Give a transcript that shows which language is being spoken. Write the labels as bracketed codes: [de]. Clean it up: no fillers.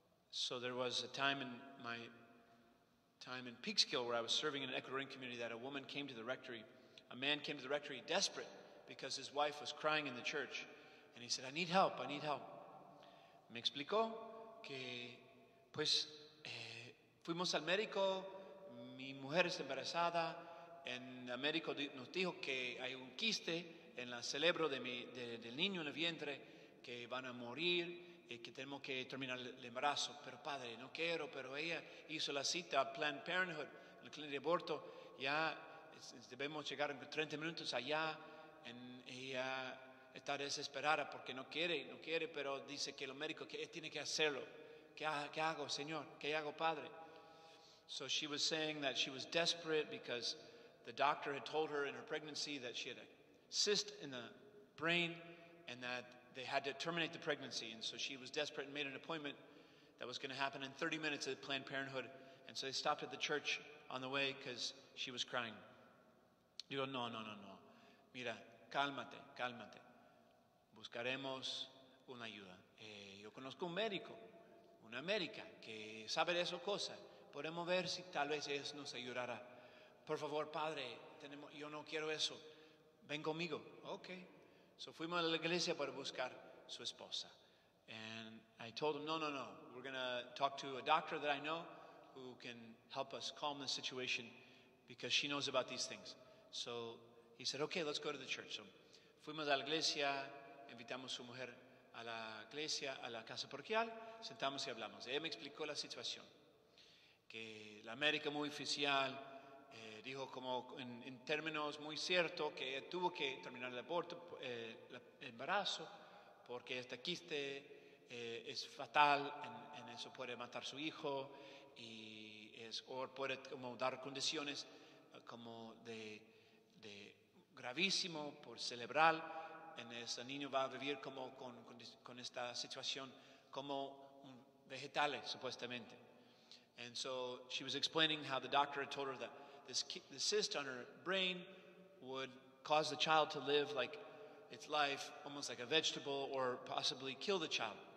[en] So there was a time in my time in Peekskill where I was serving in an Ecuadorian community that a woman came to the rectory. A man came to the rectory desperate because his wife was crying in the church. And he said, I need help. [es] Me explicó que, pues, fuimos al médico, mi mujer es embarazada, en el médico nos dijo que hay un quiste en el cerebro del niño en el vientre, que van a morir y que tenemos que terminar el embarazo. Pero padre, no quiero, pero ella hizo la cita a Planned Parenthood, la clínica de aborto, ya debemos llegar en 30 minutos allá, ella está desesperada porque no quiere, pero dice que los médicos que tiene que hacerlo. ¿Qué hago, Señor? ¿Qué hago, Padre? [en] So she was saying that she was desperate because the doctor had told her in her pregnancy that she had a cyst in the brain and that they had to terminate the pregnancy. And so she was desperate and made an appointment that was going to happen in 30 minutes at Planned Parenthood. And so they stopped at the church on the way because she was crying. [es] Digo, no. Mira, cálmate. Buscaremos una ayuda. Yo conozco un médico, una médica, que sabe de esas cosas. Podemos ver si tal vez ellos nos ayudará. Por favor, padre, yo no quiero eso. Ven conmigo. Okay. So fuimos a la iglesia para buscar su esposa. [en] And I told him, no. We're going to talk to a doctor that I know who can help us calm the situation because she knows about these things. So he said, okay, let's go to the church. [es] So fuimos a la iglesia, invitamos a su mujer a la iglesia, a la casa parroquial, sentamos y hablamos. Ella me explicó la situación, que la médica muy oficial dijo como en términos muy ciertos que ella tuvo que terminar el aborto, el embarazo, porque este quiste es fatal, en eso puede matar a su hijo, y puede como dar condiciones como de gravísimo por cerebral. En ese niño va a vivir como con esta situación como vegetales supuestamente. [en] And so she was explaining how the doctor had told her that the cyst on her brain would cause the child to live like its life almost like a vegetable or possibly kill the child.